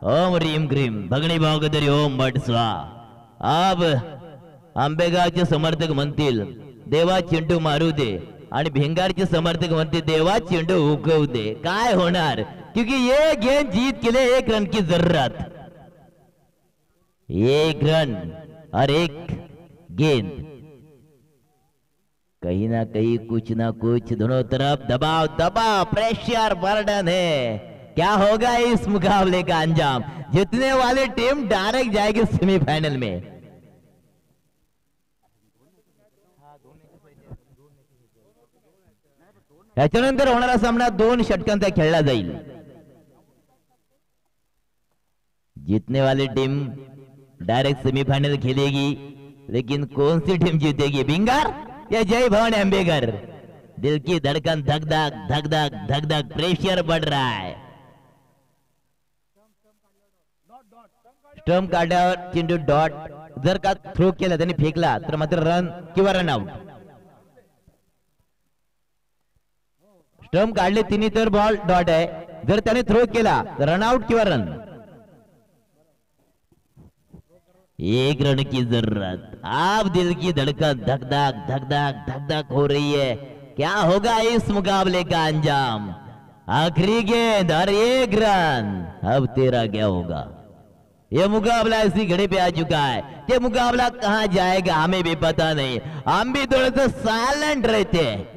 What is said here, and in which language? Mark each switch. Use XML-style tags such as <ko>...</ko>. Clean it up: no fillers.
<mr>ओम रीम cream भगनी भागदरी ओम but स्वा। अब आंबेगावचे समर्थक म्हणतील देवा चेंडू मारू दे, आणि भिंगारचे समर्थक म्हणतील देवा चेंडू उगवू दे, काय होणार,</mr> <hi>क्योंकि ये गेम जीत के लिए एक रन की जरूरत, एक रन और एक गेंद। कहीं ना कहीं कुछ ना कुछ दोनों तरफ दबाव दबाव प्रेशर बर्डन है, क्या होगा इस मुकाबले का अंजाम, जीतने वाली टीम डायरेक्ट जाएगी सेमीफाइनल में।</hi> <mr>याच्यानंतर होणारा सामना दोन षटकांचा खेळला जाईल,</mr> <hi>जीतने वाली टीम डायरेक्ट सेमीफाइनल खेलेगी, लेकिन कौन सी टीम जीतेगी, भिंगार या जय भवन अंबेकर। दिल की धड़कन धकधक धकधक धकधक, प्रेशर बढ़ रहा है,</hi> <mr>स्टंप काढल्यावर चेंडू डॉट जर का थ्रो केला त्याने फेकला तर मात्र रन किंवा रन आउट, स्टंप काढले तिने तर बॉल डॉट आहे, जर त्याने थ्रो केला तर रन आउट किंवा रन।</mr> <hi>एक रन की जरूरत, आप दिल की धड़कन धकधक धकधक धकधक हो रही है, क्या होगा इस मुकाबले का अंजाम, आखिरी गेंद और एक रन, अब तेरा क्या होगा, ये मुकाबला इसी घड़ी पे आ चुका है, ये मुकाबला कहां जाएगा हमें भी पता नहीं, हम भी थोड़ा सा साइलेंट रहते हैं।</hi>